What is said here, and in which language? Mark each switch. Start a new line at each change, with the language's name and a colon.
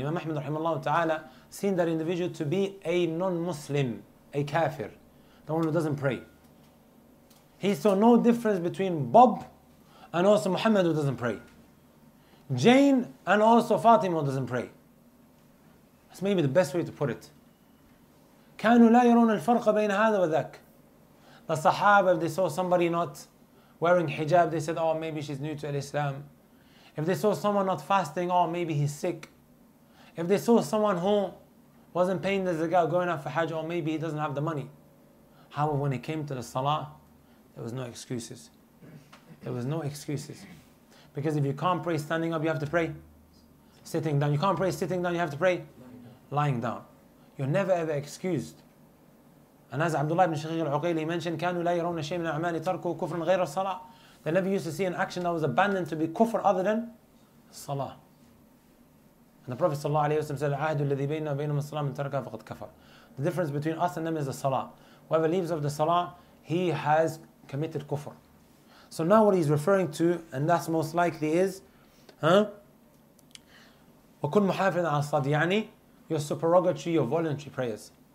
English: Imam Ahmad rahimahullah ta'ala seen that individual to be a non-Muslim, a kafir, the one who doesn't pray. He saw no difference between Bob and also Muhammad who doesn't pray. Jane and also Fatima who doesn't pray. That's maybe the best way to put it.
Arabic: كانوا لا يرون الفرق بين هذا وذاك.
English: The Sahaba, if they saw somebody not wearing hijab, they said, oh, maybe she's new to Islam. If they saw someone not fasting, oh, maybe he's sick. If they saw someone who wasn't paying the zakah, going out for hajj, oh, maybe he doesn't have the money. However, when it came to the salah, there was no excuses. There was no excuses. Because if you can't pray standing up, you have to pray sitting down. You can't pray sitting down, you have to pray lying down. You're never ever excused. And as
Arabic: Abdullah ibn Shaqiq al-Uqayli
English: mentioned,
Arabic: كانوا لا يرون شيء من أعمال تركوا كفر غير الصلاة.
English: They never used to see an action that was abandoned to be kufr other than salah. And the Prophet
Arabic: sallallahu alayhi wa sallam
English: said,
Arabic: العهد الذي بيننا وبينهم الصلاة من تركها فقد كفر.
English: The difference between us and them is the salah. Whoever leaves of the salah, he has committed kufr. So now what he's referring to, and that's most likely is,
Arabic: وكن محافظا على الصلاة,
English: يعني your supererogatory, your voluntary prayers.